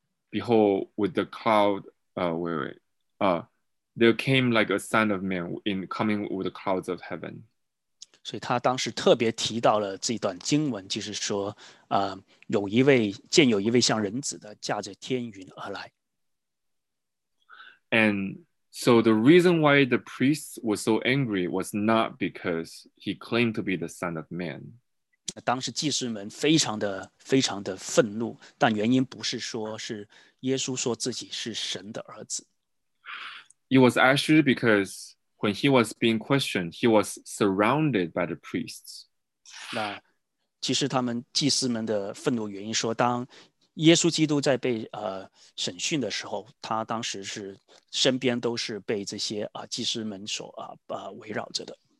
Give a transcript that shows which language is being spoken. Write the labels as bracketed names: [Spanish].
[English] Behold, with the cloud, there came like a son of man in coming with the clouds of heaven. [Chinese] 所以他当时特别提到了这段经文，就是说，有一位像人子的驾着天云而来。 [English] And so the reason why the priests were so angry was not because he claimed to be the son of man. [Chinese] 当时祭司们非常的愤怒，但原因不是说是耶稣说自己是神的儿子。 [English] It was actually because when he was being questioned, he was surrounded by the priests. [Chinese] 那其实他们祭司们的愤怒原因说，当耶稣基督在被审讯的时候，他当时是身边都是被这些祭司们所围绕着的。